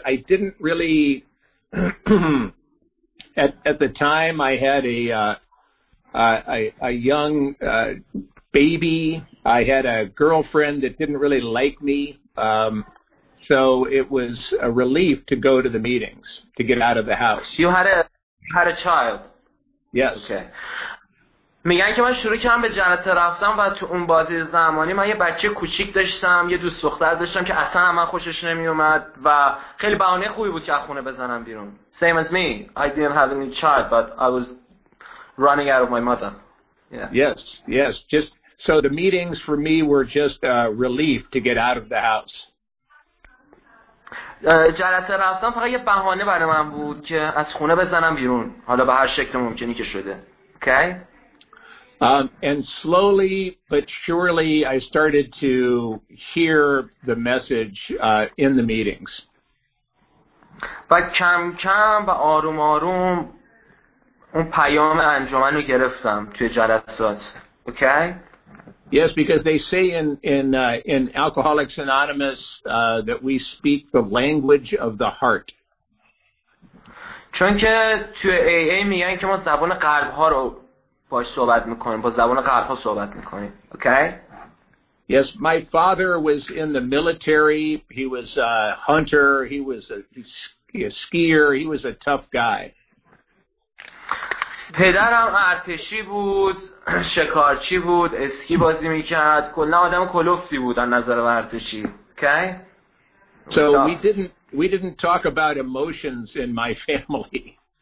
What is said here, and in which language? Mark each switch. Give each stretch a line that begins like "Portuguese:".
English: I didn't really, at the time I had a young baby. I had a girlfriend that didn't really like me. So it was a relief to go to the meetings, to get out of the house. You had a child? Yes. Okay.
Persian: میگن که من شروع کردم به جلسه رفتم و تو اون بازه زمانی من یه بچه کوچیک داشتم، یه دوست دختر داشتم که اصلا من خوشش نمی اومد و خیلی بهانه خوبی بود که از خونه بزنم بیرون.
English: Same as me. I didn't have any child, but I was running out of my mother. Yeah. Yes, yes. Just so the meetings for me were just a relief to get out of the house.
Persian: جلسه رفتم فقط یه بهانه برای من بود که از خونه بزنم بیرون، حالا به هر شکل ممکنی که شده. Okay.
English: And slowly but surely, I started to hear the message in the meetings.
Persian: و کم کم و آروم آروم اون پیام انجمن رو گرفتم توی جلسات.
English: Okay? Yes, because they say in Alcoholics Anonymous that we speak the language of the heart.
Persian: چون که توی AA میگن که ما زبان قلب ها رو باش صحبت میکنیم، با زبان قلب ها صحبت میکنیم.
English: Okay? Yes, my father was in the military. He was a hunter. He was a skier. He was a tough guy.
Persian: پدرم ارتشی بود، شکارچی بود، اسکی بازی میکرد. کلا آدم کلوفتی بود از نظر ورزشی.
English: Okay? So we didn't talk about emotions in my family.